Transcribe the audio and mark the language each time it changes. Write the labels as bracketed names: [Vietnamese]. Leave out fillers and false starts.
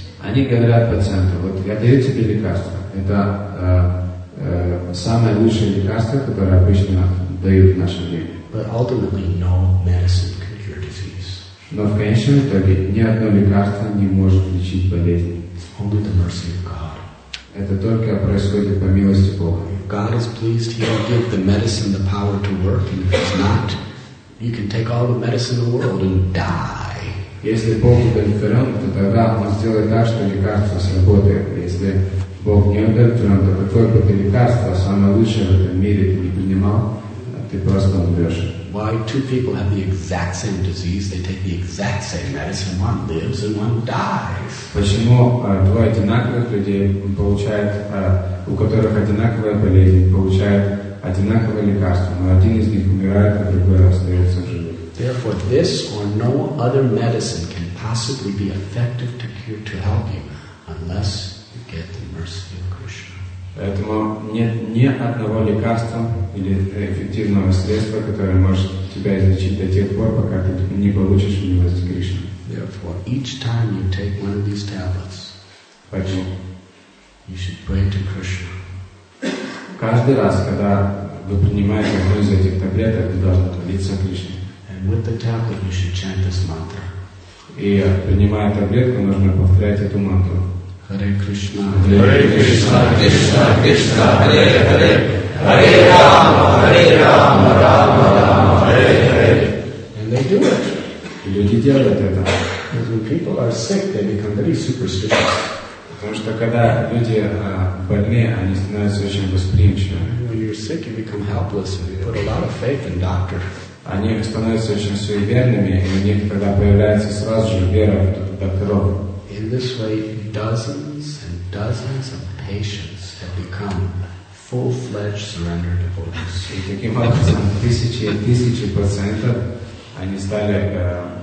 [Russian] Они говорят пациенту, вот я даю тебе лекарство, это самое лучшее лекарство, которое обычно дают в наше время. [English] No medicine can cure disease. [Russian] Но в конечном итоге ни одно лекарство не может лечить болезнь. [English] It's only the mercy of God. [Russian] Это только происходит по милости Бога. [English] If God is pleased, He will give the medicine the power to work, and if it's not, you can take all the medicine in the world and die. [Russian] Если Бог удовлетворен, то тогда Он сделает так, что лекарство сработает. Если Бог не удовлетворен, то какое бы ты лекарство, самое лучшее в этом мире, ты не принимал, ты просто умрешь. [English] Why two people have the exact same disease, they take the exact same medicine, one lives and one dies. [Russian] Почему двое одинаковых людей получают, у которых одинаковая болезнь, получают одинаковое лекарство, но один из них умирает, а другой остается в живых. [English] Therefore, this or no other medicine can possibly be effective to cure, to help you, unless get the mercy of Krishna. [Russian] Поэтому нет ни одного лекарства или эффективного средства, которое может тебя излечить до тех пор, пока ты не получишь милость Кришны. [English] Therefore, each time you take one of these tablets, you should pray to Krishna. [Russian] Каждый раз, когда вы принимаете одну из этих таблеток, вы должны молиться Кришне. [English] And with the tablet, you should chant this mantra. [Russian] И принимая таблетку, нужно повторять эту мантру. [Sanskrit] Hare Krishna, Hare Krishna, Krishna Krishna, Hare Hare, Hare Rama, Hare Rama, Rama Rama, Hare Hare. [English] And they do it. [Russian] Люди делают это. [English] Because when people are sick, they become very superstitious. [Russian] Потому что когда люди больны, они становятся очень восприимчивыми. [English] When you're sick, you become helpless, and you put a lot of faith in doctor. [Russian] Они становятся очень суеверными, и у них тогда появляется сразу же вера в докторов. [English] In this way, dozens and dozens of patients have become full-fledged surrender devotees. [Russian] И таким образом, тысячи и тысячи пациентов, они стали